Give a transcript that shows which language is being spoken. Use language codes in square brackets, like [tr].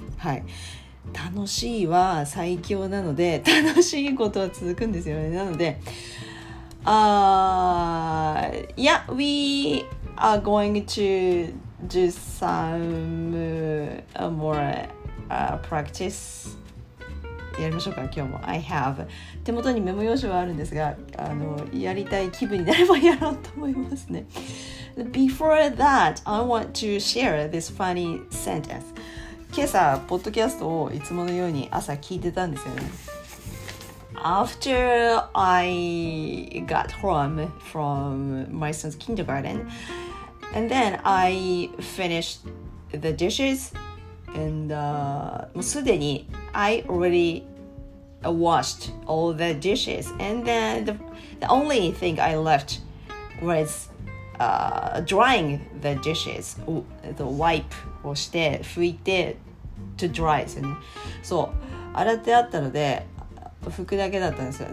[ja] はい。楽しいは最強なので、楽しいことは続くんですよね。なので、 [en] yeah, we are going to do some more practice. [ja] やりましょうか、今日も。 [en] I have. [ja] 手元にメモ用紙はあるんですが、やりたい気分になればやろうと思いますね。 [en] Before that, I want to share this funny sentence. [ja] 今朝ポッドキャストをいつものように朝聞いてたんですよね。 [en] After I got home from my son's kindergarten, and then I finished the dishes, and [ja] もうすでに [en] I already washed all the dishes, and then the only thing I left was drying the dishes, the wipe [ja] をして拭いて。 [en] To dry [ja] ですよね。そう、洗ってあったので拭くだけだったんですよ。